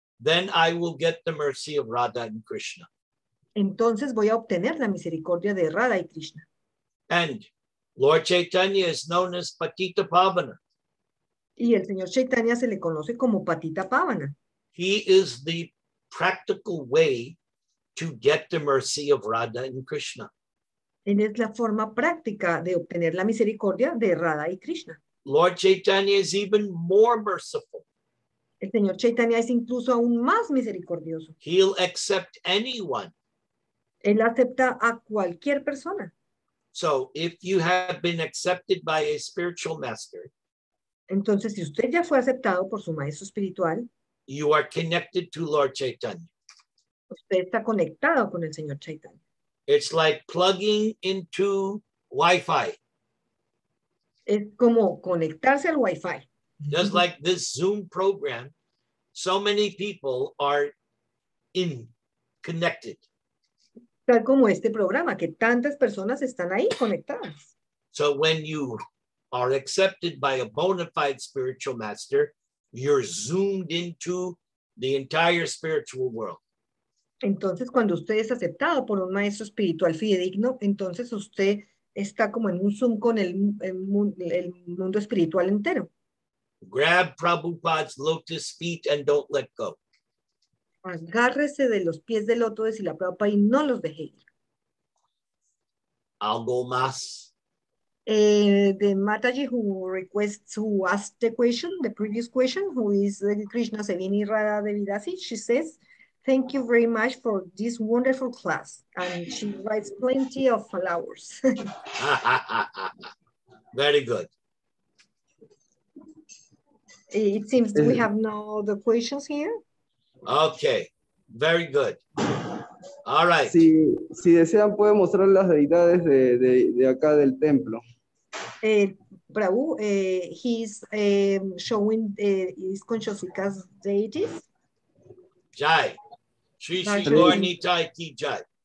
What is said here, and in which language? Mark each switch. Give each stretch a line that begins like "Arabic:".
English: then I will get the mercy of Radha and Krishna.
Spanish: Entonces, voy a obtener la misericordia de Radha y Krishna.
English: And Lord Chaitanya is known as Patita Pavana.
Spanish: Y el señor Chaitanya se le conoce como Patita Pavana.
English: He is the practical way to get the mercy of Radha and Krishna.
Spanish: Él es la forma práctica de obtener la misericordia de Radha y Krishna.
English: Lord Chaitanya is even more merciful.
Spanish: El señor Chaitanya es incluso aún más misericordioso.
English: He'll accept anyone.
Spanish: Él acepta a cualquier persona.
English: So if you have been accepted by a spiritual master,
Spanish: entonces si usted ya fue aceptado por su maestro espiritual,
English: you are connected to Lord Chaitanya.
Spanish: Usted está conectado con el señor Chaitanya.
English: It's like plugging into Wi-Fi.
Spanish: Es como conectarse al Wi-Fi.
English: Just like this Zoom program, so many people are in connected.
Spanish: Tal como este programa, que tantas personas están ahí conectadas.
English: So when you are accepted by a bona fide spiritual master, you're zoomed into the entire spiritual world.
Spanish: Entonces, cuando usted es aceptado por un maestro espiritual fidedigno, entonces usted está como en un Zoom con el mundo espiritual entero.
English: Grab Prabhupada's lotus feet and don't let go.
Spanish: Agárrese de los pies del loto de Srila Prabhupada y no los deje ir. ¿Algo más?
English: The Mataji who requests, who asked the question, the previous question, who is Krishna Sevini Radha Devidasi, she says, thank you very much for this wonderful class. And she writes plenty of flowers. Very good. It seems that we have no other questions here. Okay, very good. All right.
Spanish: Si, si desean, puede mostrar las deidades de acá del templo.
English: Prabhu, he's showing his Conchosuka's deities. Jai. Sri Sri Gaurinitai Ki Jai.